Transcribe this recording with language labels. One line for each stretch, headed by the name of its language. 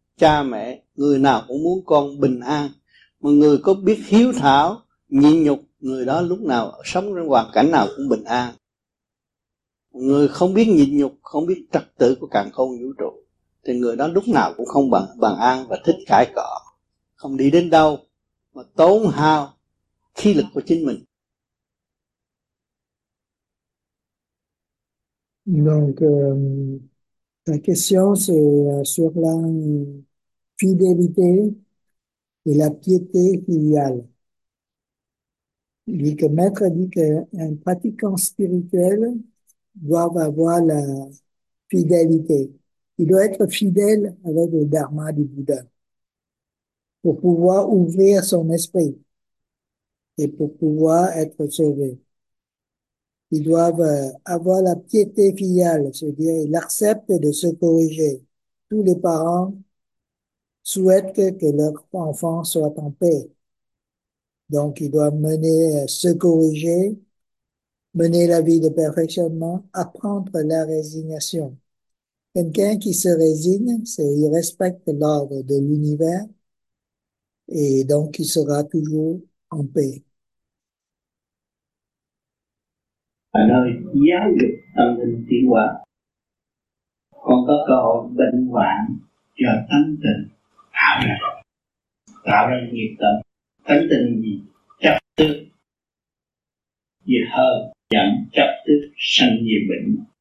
Vietnamese: Cha mẹ người nào cũng muốn con bình an, mà người có biết hiếu thảo nhịn nhục, người đó lúc nào sống trong hoàn cảnh nào cũng bình an. Người không biết nhịn nhục, không biết trật tự của càn khôn vũ trụ thì người đó lúc nào cũng không bằng bằng an và thích cãi cọ, không đi đến đâu mà tốn hao khí lực của chính mình.
French: Donc, la question c'est sur la fidélité et la piété filiale. Il dit que Maître dit qu'un pratiquant spirituel doit avoir la fidélité. Il doit être fidèle avec le dharma du Bouddha pour pouvoir ouvrir son esprit et pour pouvoir être sauvé. Ils doivent avoir la piété filiale, c'est-à-dire ils acceptent de se corriger. Tous les parents souhaitent que leur enfant soit en paix. Donc, ils doivent se corriger, mener la vie de perfectionnement, apprendre la résignation. Quelqu'un qui se résigne, c'est il respecte l'ordre de l'univers et donc il sera toujours en paix.
Vietnamese: Bạn ơi, giáo dục tâm linh tiến hóa, con có cơ hội bình hoạn cho tánh tình tạo ra nghiệp tâm. Tánh tình gì? Chấp tức gì hơn chẳng chấp tức sanh nhiều bệnh.